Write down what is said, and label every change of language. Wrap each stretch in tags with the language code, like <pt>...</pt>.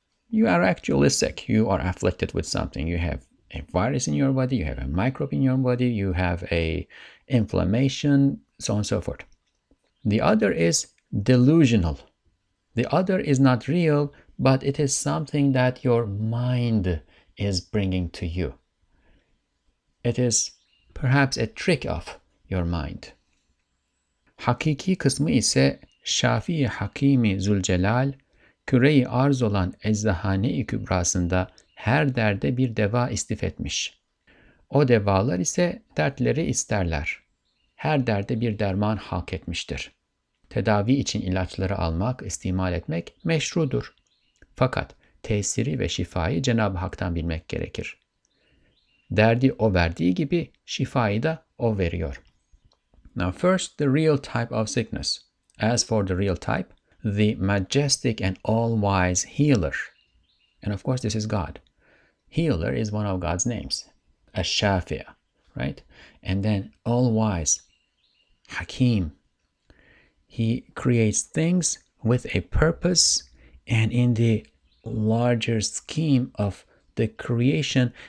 <en>You are actually sick. You are afflicted with something. You have a virus in your body, you have a microbe in your body, you have a inflammation, so on and so forth. The other is delusional. The other is not real, but it is something that your mind is bringing to you. It is perhaps a trick of your mind.</en> <tr>Hakiki kısmı ise Şafii Hakimi Zülcelal, küre-i arz olan Eczahane-i Kübrasında her derde bir deva istif etmiş. O devalar ise dertleri isterler. Her derde bir derman halk etmiştir. Tedavi için ilaçları almak, istimal etmek meşrudur. Fakat tesiri ve şifayı Cenab-ı Hak'tan bilmek gerekir. Derdi o verdiği gibi şifayı da o veriyor.</tr> <en>Now first, the real type of sickness. As for the real type, the majestic and all-wise healer. And of course, this is God. Healer is one of God's names. Ash-Shafi'a, right? And then all-wise, Hakim. He creates things with a purpose, and in the larger scheme of the creation,</en>